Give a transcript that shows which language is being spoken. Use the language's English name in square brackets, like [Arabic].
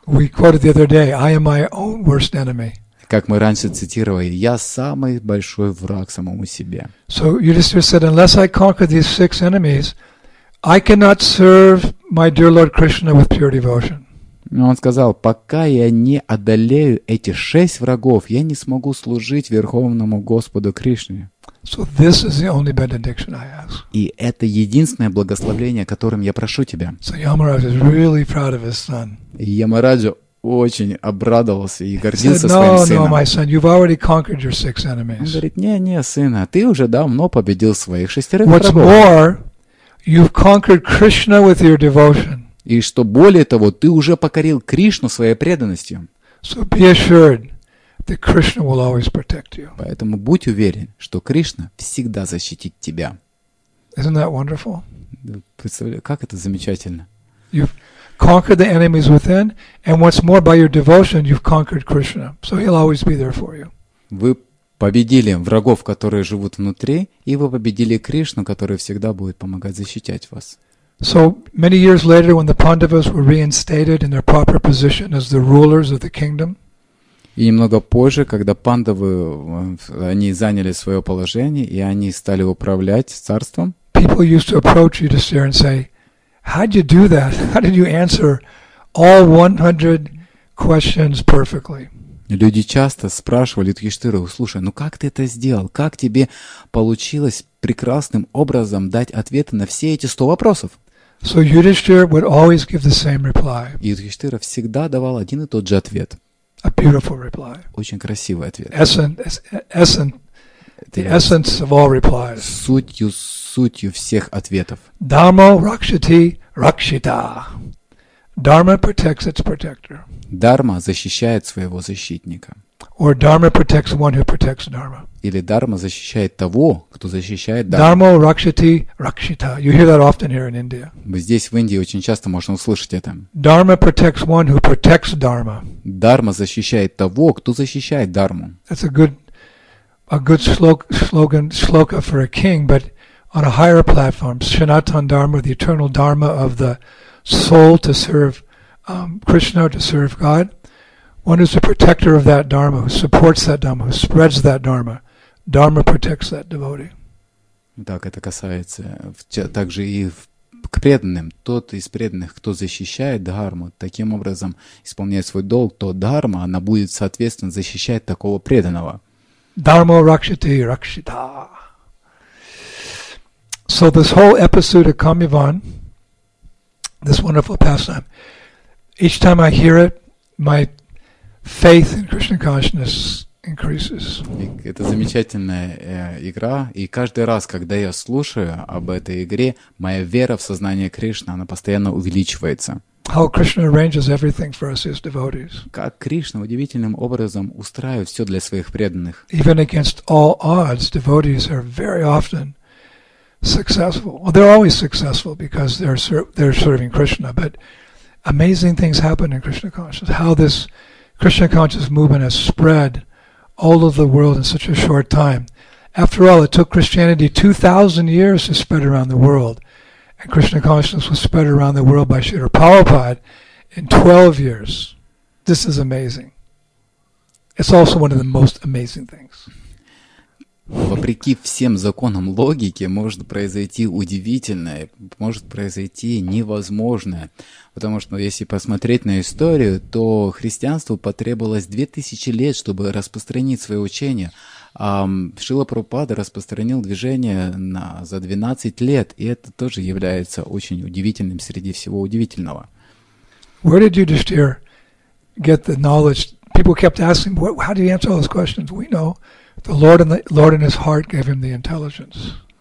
[English] We quoted the other day, I am my own worst enemy. [Russian] Как мы раньше цитировали, я самый большой враг самому себе. [English] So Yudhisthira said, unless I conquer these six enemies, I cannot serve my dear Lord Krishna with pure devotion. [Russian] Но он сказал: пока я не одолею эти шесть врагов, я не смогу служить Верховному Господу Кришне. [English] So this is the only benediction I ask. [Russian] И это единственное благословение, которым я прошу тебя. [English] So Yamaraj is really proud of his son. [Russian] Ямараджа очень обрадовался и гордился своим сыном. [English] No, my son, you've already conquered your six enemies. [Russian] Он говорит: не, сына, ты уже давно победил своих шестерых врагов. [English] What's more, you've conquered Krishna with your devotion. [Russian] И что более того, ты уже покорил Кришну своей преданностью. [English] So be assured that Krishna will always protect you. [Russian] Поэтому будь уверен, что Кришна всегда защитит тебя. [English] Isn't that wonderful? [Russian] Представляю, как это замечательно. [English] You've conquered the enemies within, and what's more, by your devotion, you've conquered Krishna. So he'll always be there for you. [Russian] Вы победили врагов, которые живут внутри, и вы победили Кришну, который всегда будет помогать защищать вас. [English] So many years later, when the Pandavas were reinstated in their proper position as the rulers of the kingdom, [Russian] и немного позже, когда Пандавы они заняли свое положение и они стали управлять царством, [English] people used to approach you to sir and say, "How did you do that? How did you answer all 100 questions perfectly?" [Russian] Люди часто спрашивали Юдхиштхиру: «Слушай, ну как ты это сделал? Как тебе получилось прекрасным образом дать ответы на все эти 100 вопросов?» [English] So Yudhishthira would always give the same reply. [Russian] Юдхиштхира всегда давал один и тот же ответ. [English] A beautiful reply. [Russian] Очень красивый ответ. [English] Essence of all replies. [Russian] Сутью всех ответов. [Sanskrit] Dharma rakshati rakshita. [English] Dharma protects its protector. [Russian] Дхарма защищает своего защитника. [English] Or dharma protects one who protects dharma. [Russian] Или дхарма защищает того, кто защищает дхарму. [Sanskrit] Dharma rakshati rakshita. [English] You hear that often here in India. [Russian] Здесь в Индии очень часто можно услышать это. [English] Dharma protects one who protects dharma. [Russian] Дхарма защищает того, кто защищает дхарму. [English] That's a good shloka for a king, but on a higher platform, Sanatan Dharma, the eternal dharma of the soul to serve Krishna, to serve God. One is the protector of that dharma, who supports that dharma, who spreads that dharma. Dharma protects that devotee. [Russian] Так это касается также и к преданным. Тот из преданных, кто защищает дхарму, таким образом исполняет свой долг, то дхарма, она будет, соответственно, защищать такого преданного. [Sanskrit] Dharma rakshati rakshita. [English] So this whole episode of Kamyavan, this wonderful pastime, each time I hear it, my faith in Krishna consciousness increases. [Russian] Это замечательная игра, и каждый раз, когда я слушаю об этой игре, моя вера в сознание Кришны, она постоянно увеличивается. [English] How Krishna arranges everything for us as devotees. [Russian] Как Кришна удивительным образом устраивает все для своих преданных. [English] Even against all odds, devotees are very often successful. Well, they're always successful because they're serving Krishna, but amazing things happen in Krishna consciousness. How this Krishna conscious movement has spread all over the world in such a short time. After all, it took Christianity 2,000 years to spread around the world. And Krishna consciousness was spread around the world by Srila Prabhupada in 12 years. This is amazing. It's also one of the most amazing things. [Russian] Вопреки всем законам логики, может произойти удивительное, может произойти невозможное. Потому что если посмотреть на историю, то христианству потребовалось 2000 лет, чтобы распространить свое учение. Шрила Прабхупада распространил движение за 12 лет, и это тоже является очень удивительным среди всего удивительного. [English] Where did Yudhishthira get the knowledge? People kept asking, how do you answer all those questions? We know. The Lord in his heart gave him the intelligence.